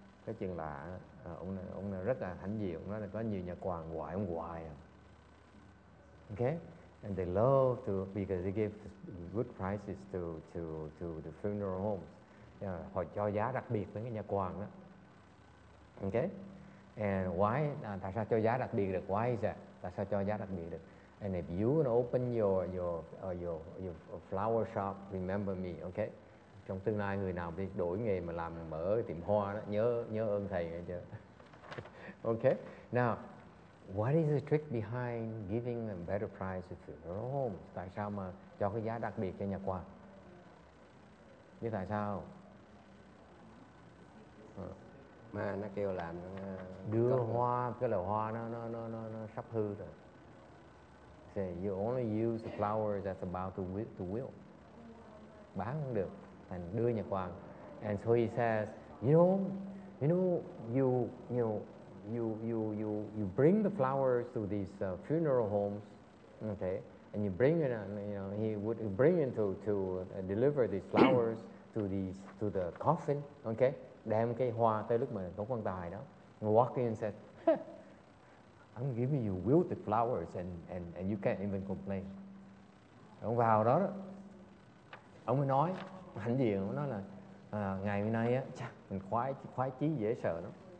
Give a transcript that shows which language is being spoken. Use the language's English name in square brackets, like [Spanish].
[Vietnamese] Cái chuyện lạ ông rất là hãnh diện, ông nói là có nhiều nhà quàng gọi ông hoài à. [English] Okay, and they love to, because they give good prices to the funeral homes. [Vietnamese] Họ cho giá đặc biệt với cái nhà quàng đó. [English] Okay, [Vietnamese] and why, tại sao cho giá đặc biệt được? [English] Why is that? [Vietnamese] Tại sao cho giá đặc biệt được? [English] And if you want to open your flower shop, remember me, okay? [Vietnamese] Trong tương lai người nào biết đổi nghề mà làm mở tiệm hoa đó, nhớ ơn thầy nghe chưa? [English] Okay, now, what is the trick behind giving a better price to funeral homes? [Vietnamese] Tại sao mà cho cái giá đặc biệt cho nhà quàng? Như tại sao? Mà nó kêu làm đưa hoa, cái lò hoa nó sắp hư rồi. [English] Say you only use the flowers that's about to wilt. [Vietnamese] Bán không được, thành đưa nhà quàng. [English] And so he says, you bring the flowers to these funeral homes, okay? And you bring it, he would bring it to deliver these flowers to the coffin, okay? [Vietnamese] Đem cái hoa tới lúc mà có quan tài đó. [English] And walk in and said, I'm giving you wilted flowers and you can't even complain. [Vietnamese] Ông vào đó, ông mới nói, hạnh diện, ông nói là ngày hôm nay á, chà, mình khoái chí dễ sợ lắm.